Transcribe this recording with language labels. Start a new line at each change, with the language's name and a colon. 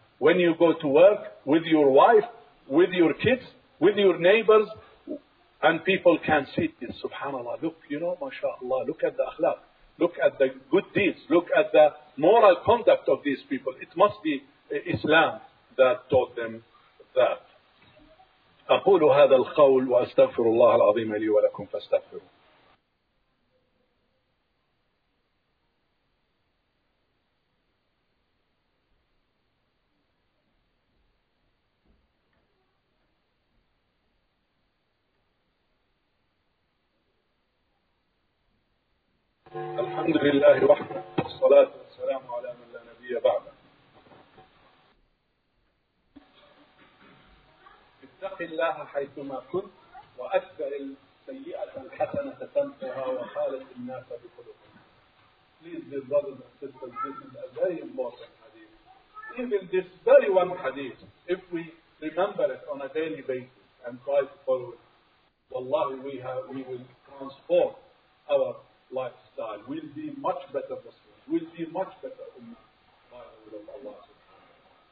English: When you go to work with your wife, with your kids, with your neighbors, and people can see this, subhanAllah, look, you know, mashaAllah, look at the akhlaq. Look at the good deeds. Look at the moral conduct of these people. It must be Islam that taught them that.
Arabic: أقول هذا القول وأستغفر الله العظيم لي ولكم فاستغفروا. الحمد لله وحده, والصلاة والسلام على من لا نبي بعده. اتق الله حيثما كنت, وأكثر السيئة الحسنة تمحها, وخالق الناس بخلقه.
English: Please, dear brothers and sisters, this is a very important hadith. Even this very one hadith, if we remember it on a daily basis and try to follow it, wallahi, we will transform our lifestyle, will be much better Muslims, will be much better Ummah by the will of Allah subhanahu wa